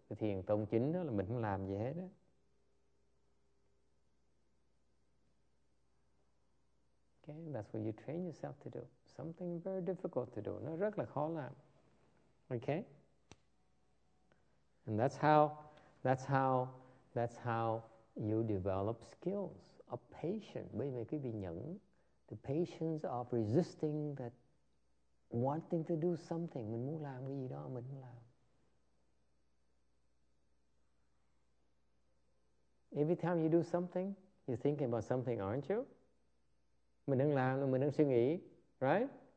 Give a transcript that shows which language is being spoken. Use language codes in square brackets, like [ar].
[vi] Cái thiền tông chính đó là mình không làm gì hết đó. [en] Okay, that's what you train yourself to do. Something very difficult to do. [vi] Nó rất là khó làm. [en] Okay? And that's how you develop skills of patience. [vi] Bởi vì quý vị nhận [en] the patience of resisting that wanting to do something, [vi] mình muốn làm cái gì đó, mình muốn làm. [en] Every time you do something, you're thinking about something, aren't you? [vi] Mình đang làm, mình đang suy nghĩ, right?